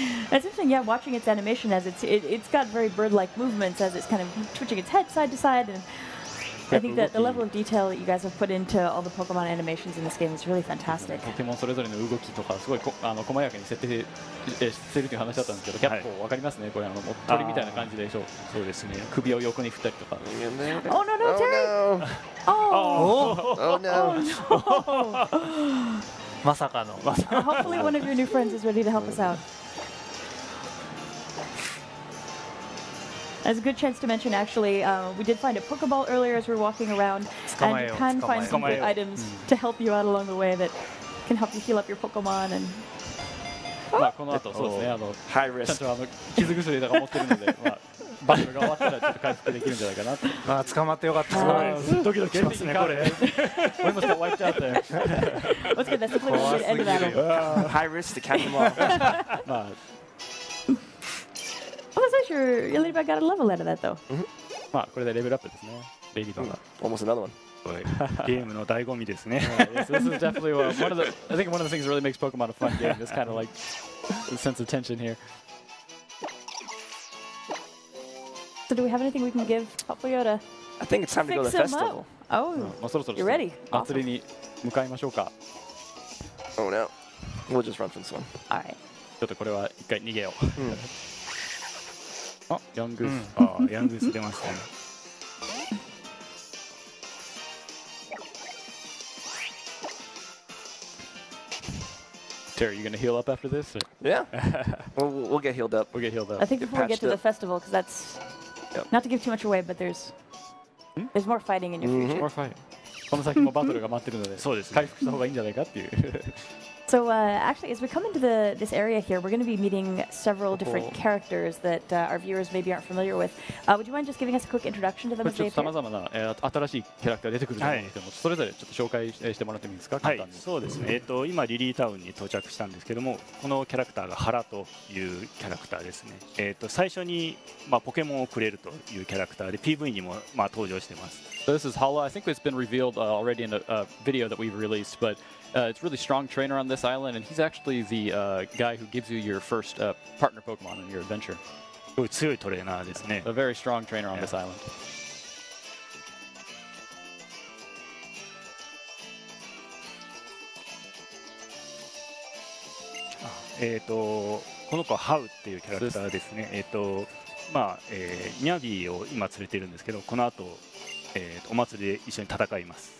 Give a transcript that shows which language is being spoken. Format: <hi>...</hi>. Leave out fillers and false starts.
<en>Especially yeah, watching its animation as it's got very bird-like movements as it's kind of twitching its head side to side, and I think that the level of detail that you guys have put into all the Pokemon animations in this game is really fantastic.</en> <ja>ポケモンそれぞれの動きとかすごい細やかに設定してるという話だったんですけど、結構わかりますね。これ鳥みたいな感じでしょう。そうですね。首を横に振ったりとか。</ja> <en>Oh no, no, Terry! Oh no!</en> <ja>まさかの。</ja> <en>Hopefully one of your new friends is ready to help us out. That's a good chance to mention, actually, we did find a Pokeball earlier as we were walking around. And you can find some good items to help you out along the way that can help you heal up your Pokemon. And...</en> <ja>まあ、この後、そうですね。</ja> <en>High risk.</en> <ja>ちゃんと傷薬とか持ってるので。まあバトルが終わったらちょっと回復できるんじゃないかなと。まあ捕まってよかった。ドキドキしますねこれ。</ja> <en>We must have wiped out there. Let's get that simple shit end of battle. High risk to catch them all. まあ。 Oh, so sure. Your ladybug got a level out of that though.</en> <ja>まあこれでレベルアップですね。ベリーバが。</ja> <en>Almost another one.</en> <ja>ゲームの醍醐味ですね。</ja> <en>This is definitely one of the, I think one of the things that really makes Pokemon a fun game. This kind of like sense of tension here. So do we have anything we can give Popoyota? I think it's time to go to the festival. Oh, you're ready.</en> <ja>祭りに向かいましょうか。</ja> <en>Oh no. We'll just run from this one. All right.</en> <ja>ちょっとこれは一回逃げよう。あ、ヤングース。あ、ヤングース出ましたね。</ja> <en>Are you going to heal up after this? Or? Yeah. we'll get healed up. We'll get healed up. I think before we get to the festival, because that's...、Yep. Not to give too much away, but there's...、Hmm? There's more fighting in your future. More fighting.</en> <ja>この先もバトルが待ってるので、そうですね。回復した方がいいんじゃないかっていう。</ja> <en>So, actually, as we come into this area here, we're going to be meeting several different characters that our viewers maybe aren't familiar with. Would you mind just giving us a quick introduction to them as they appear?</en> <ja>ちょっと様々な、新しいキャラクター出てくると思うんですけども、それぞれちょっと紹介してもらってもいいですか、簡単に。はい、そうですね。今、リリータウンに到着したんですけども、このキャラクターがハラというキャラクターですね。最初に、まあ、ポケモンをくれるというキャラクターで、PV にも、まあ、登場しています。</ja> <en>So this is Hala. I think it's been revealed already in a video that we've released, but it's really strong trainer on this island, and he's actually the guy who gives you your first partner Pokemon in your adventure.</en> <ja>すごい強いトレーナーですね。</ja> <en>A very strong trainer on this island.</en> <ja>この子はハウっていうキャラクターですね。まあ、ニャビーを今連れているんですけど、この後お祭りで一緒に戦います。</ja>